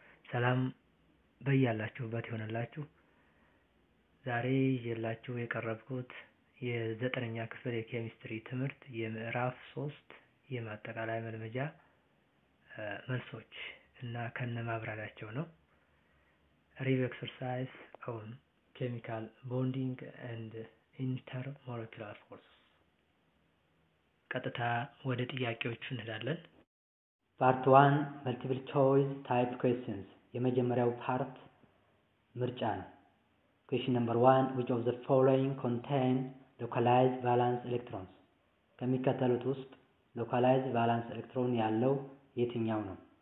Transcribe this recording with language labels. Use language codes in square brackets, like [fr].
[am] ሰላም በያላችሁበት ይሆንላችሁ። ዛሬ ይላችሁ የቀረብኩት የ9ኛ ክፍል የኬሚስትሪ ትምህርት የምዕራፍ 3 የማጠቃለያ መልመጃ መልሶች እና ከነማብራሪያቸው ነው። [en] ሪቪ ኤክሰርሳይዝ ኦን ኬሚካል ቦንዲንግ ኤንድ intermolecular forces. [am] ቀጥታ ወደ ጥያቄዎቹ እንሄዳለን። [en] Part 1 multiple choice type questions. [am] የመጀመሪያው part ምርጫ ነው። [en] Question number 1, which of the following contain localized valence electrons? [am] ከሚከተሉት ውስጥ localized valence electron ያለው የትኛው ነው?